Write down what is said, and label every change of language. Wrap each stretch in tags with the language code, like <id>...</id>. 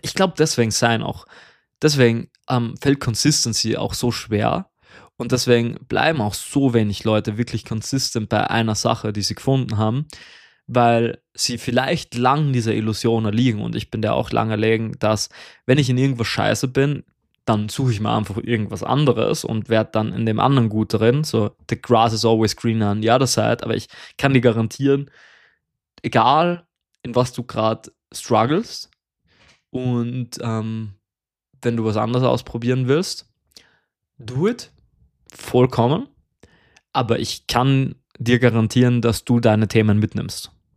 <de>Ich glaube, deswegen fällt Consistency auch so schwer und deswegen bleiben auch so wenig Leute wirklich consistent bei einer Sache, die sie gefunden haben, weil sie vielleicht lang dieser Illusion erliegen und ich bin da auch lang erlegen, dass wenn ich in irgendwas scheiße bin, dann suche ich mir einfach irgendwas anderes und werde dann in dem anderen gut drin.</de> <en>So, the grass is always greener on the other side.</en> <de>Aber ich kann dir garantieren, egal in was du gerade struggles und wenn du was anderes ausprobieren willst,</de> <en>do it</en> <de>vollkommen. Aber ich kann dir garantieren, dass du deine Themen mitnimmst.</de>